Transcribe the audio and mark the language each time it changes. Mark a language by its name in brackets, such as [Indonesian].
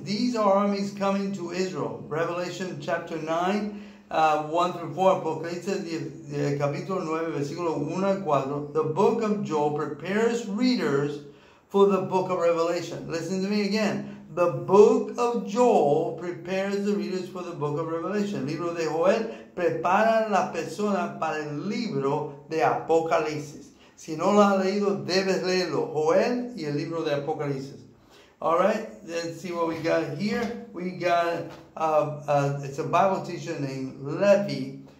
[English] These are armies coming to Israel. Revelation chapter 9, 1 through 4. [Spanish] Apocalipsis, capítulo 9, versículo 1 al 4. [English] The book of Joel prepares readers for the book of Revelation. Listen to me again. The book of Joel prepares the readers for the book of Revelation. [Spanish] Libro de Joel prepara la persona para el libro de Apocalipsis. Si no lo has leído, debes leerlo. Joel y el libro de Apocalipsis. [English] All right, let's see what we got here. We got, it's a Bible teacher named Levi.